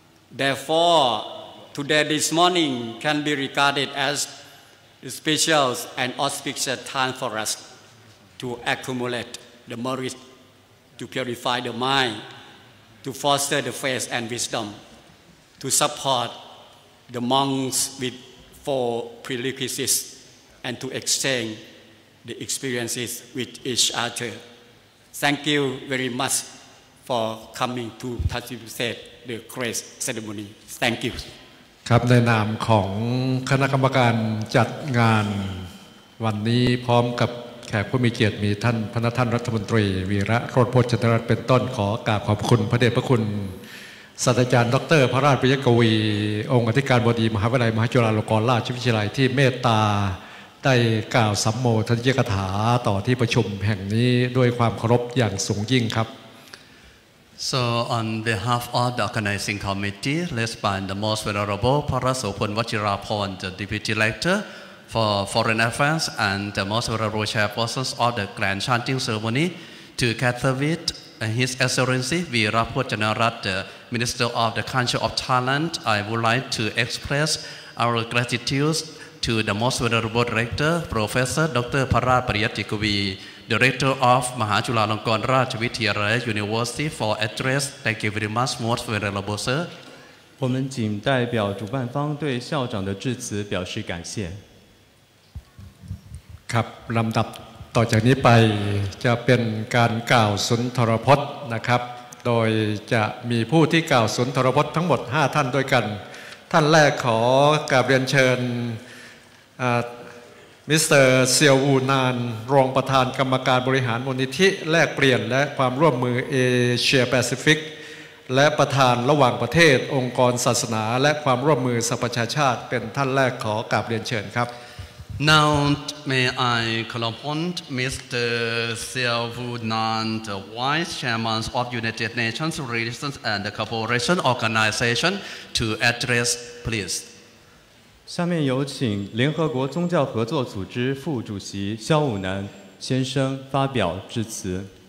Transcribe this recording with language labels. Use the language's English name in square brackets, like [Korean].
[English] Therefore, today, this morning, can be regarded as a special and auspicious time for us to accumulate the merit, to purify the mind, to foster the faith and wisdom, to support the monks with four prerequisites and to exchange the experiences with each other. Thank you very much for coming to participate the grace ceremony. Thank you. [Thai] ครับในนามของคณะกรรมการจัดงานวันนี้พร้อมกับแขกผู้มีเกียรติมีท่านพนักท่านรัฐมนตรีวีระโรจน์พจนรัตน์เป็นต้นขอกราบขอบคุณพระเดชพระคุณศาสตราจารย์ดร. พระราชปิยกวีองค์อธิการบดีมหาวิทยาลัยมหาจุฬาลงกรณราชวิทยาลัยที่เมตตาได้กล่าวสัมโมทนียกถาต่อที่ประชุมแห่งนี้ด้วยความเคารพอย่างสูงยิ่งครับ [English] So on behalf of the organizing committee led by the most venerable Parasopon Vajiraporn the deputy lector for foreign affairs and the most venerable chairperson of the grand chanting ceremony to gather with his excellency Viraphojanarat the minister of the culture of Thailand I would like to express our gratitude to the most venerable director professor Dr. Pharat Pariyatikovi director of Mahajulalongkorn Rajavithyalaya University for address thank you very much most venerable sir [Chinese] 我们谨代表主办方对校长的致辞表示感谢 [Thai] ครับลำดับต่อจากนี้ไปจะเป็นการกล่าวสุนทรพจน์นะครับโดยจะมีผู้ที่กล่าวสุนทรพจน์ทั้งหมด5ท่านด้วยกันท่านแรกขอกราบเรียนเชิญมิสเตอร์เซียวอูนานรองประธานกรรมการบริหารมูลนิธิแลกเปลี่ยนและความร่วมมือเอเชียแปซิฟิกและประธานระหว่างประเทศองค์กรศาสนาและความร่วมมือสหประชาชาติเป็นท่านแรกขอกราบเรียนเชิญครับ [English] Now may I call upon Mr. Siavunan, the Vice Chairman of United Nations Relations and Cooperation Organization, to address, please. [Chinese] 下面有请联合国宗教合作组织副主席肖武南先生发表致辞。